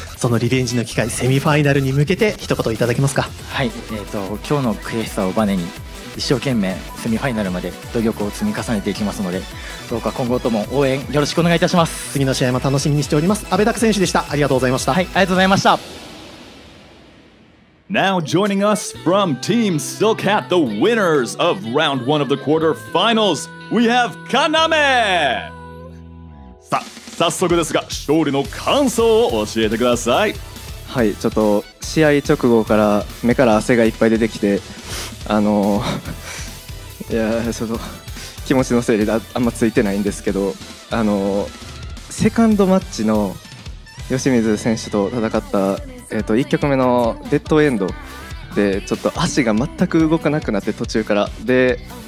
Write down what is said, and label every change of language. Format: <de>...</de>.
<ja>そのリベンジの機会セミファイナルに向けて一言いただけますか。はい、今日の悔しさをバネに一生懸命セミファイナルまで努力を積み重ねていきますので、どうか今後とも応援よろしくお願いいたします。次の試合も楽しみにしております。阿部拓選手でした。ありがとうございました。はい、ありがとうございました。</ja> <en>Now joining us from Team Silk Hat, the winners of round 1 of the quarterfinals, we have Kaname。</en> <ja>さあ早速ですが勝利の感想を教えてください。はい、ちょっと試合直後から目から汗がいっぱい出てきて、いやちょっと気持ちのせいであんまついてないんですけど、セカンドマッチの吉水選手と戦った、1局目のデッドエンドでちょっと足が全く動かなくなって途中からで、</ja>